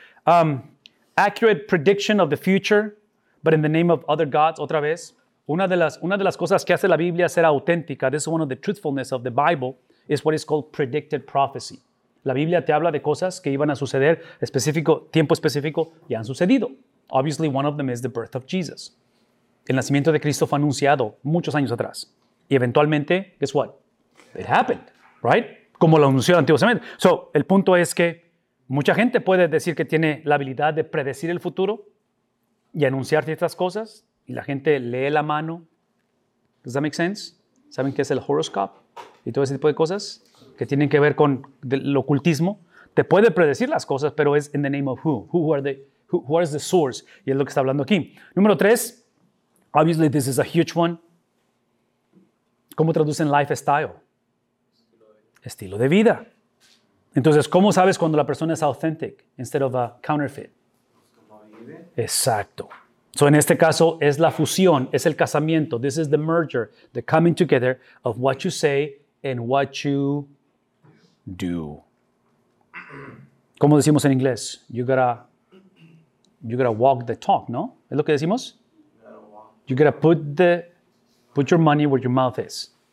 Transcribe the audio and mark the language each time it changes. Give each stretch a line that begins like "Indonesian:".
English: Accurate prediction of the future, but in the name of other gods,
Spanish: otra vez. Una de las cosas que hace la Biblia ser auténtica,
English: this is one of the truthfulness of the Bible, is what is called predicted prophecy.
Spanish: La Biblia te habla de cosas que iban a suceder específico, tiempo específico, y han sucedido.
English: Obviously, one of them is the birth of Jesus.
Spanish: El nacimiento de Cristo fue anunciado muchos años atrás. Y eventualmente,
English: guess what? It happened, right?
Spanish: Como lo anunció el Antiguo Testamento. So, el punto es que mucha gente puede decir que tiene la habilidad de predecir el futuro y anunciar ciertas cosas, y la gente lee la mano.
English: Does that make sense?
Spanish: ¿Saben qué es el horoscope? Y todo ese tipo de cosas que tienen que ver con el ocultismo. Te puede predecir las cosas, pero es
English: in the name of who. Who is the source?
Spanish: Y es lo que está hablando aquí. Número tres,
English: obviously this is a huge one.
Spanish: ¿Cómo traducen lifestyle? Estilo de vida. Entonces, ¿cómo sabes cuando la persona es
English: authentic instead of a counterfeit?
Spanish: Exacto. So en este caso es la fusión, es el casamiento.
English: This is the merger, the coming together of what you say and what you do.
Spanish: ¿Cómo decimos en inglés?
English: You gotta walk the talk,
Spanish: ¿no? ¿Es lo que decimos?
English: You gotta put your money where your mouth is.